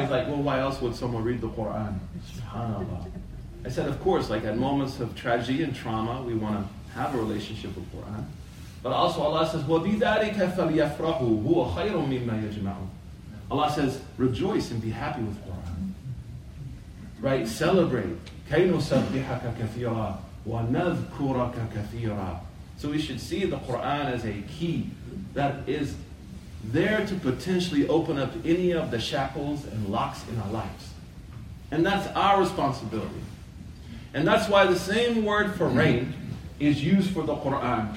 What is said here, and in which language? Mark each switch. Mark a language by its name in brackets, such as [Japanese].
[English] He's like, well, why else would someone read the Quran? SubhanAllah. I said, of course, like at moments of tragedy and trauma, we want to have a relationship with Quran. But also Allah says, [Arabic] وَبِذَٰلِكَ فَلْيَفْرَحُوا هُوَ خَيْرٌ مِمَّا يَجْمَعُونَ. [English] Allah says, rejoice and be happy with Quran. Right? Celebrate. [Arabic] كَيْ نُسَبِّحَكَ كَثِيرًا وَنَذْكُرَكَ كَثِيرًا. [English] So we should see the Quran as a key that is there to potentially open up any of the shackles and locks in our lives. And that's our responsibility. And that's why the same word for rain is used for the Quran.